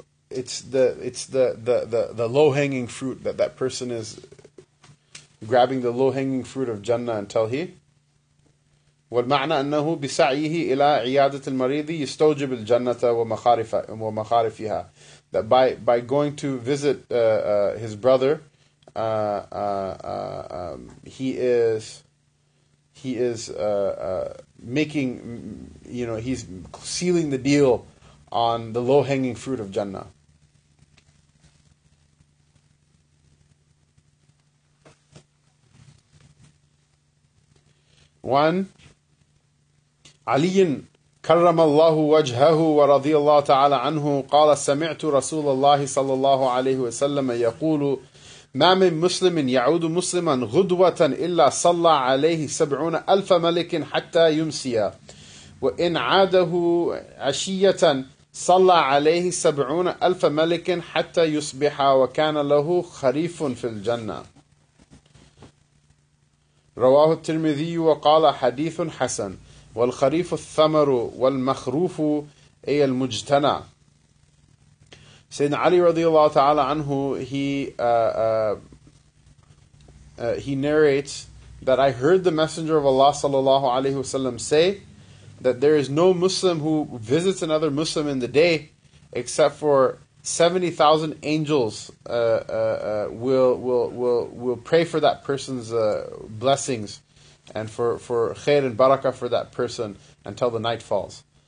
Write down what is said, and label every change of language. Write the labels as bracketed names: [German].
[English] It's the low hanging fruit that person is grabbing, the low hanging fruit of Jannah until he. [Arabic] والمعنى أنه بسعيه إلى عيادة المريض يستوجب الجنة ومخارفها. [English] That by going to visit his brother, he's sealing the deal on the low hanging fruit of Jannah. [Arabic] One, علي كرم الله وجهه ورضي الله تعالى عنه قال سمعت رسول الله صلى الله عليه وسلم يقول ما من مسلم يعود مسلما غدوة إلا صلى عليه 70,000 ملك حتى يمسيا وإن عاده عشية صلى عليه 70,000 ملك حتى يصبح وكان له خريف في الجنة. رواه الترمذي وقال حديث حسن والخريف الثمر والمخروف أي المجتنى. [English] Sayyidina Ali radiallahu ta'ala anhu, he narrates that I heard the Messenger of Allah sallallahu alayhi wasallam say that there is no Muslim who visits another Muslim in the day except for 70,000 angels will pray for that person's blessings and for khair and barakah for that person until the night falls.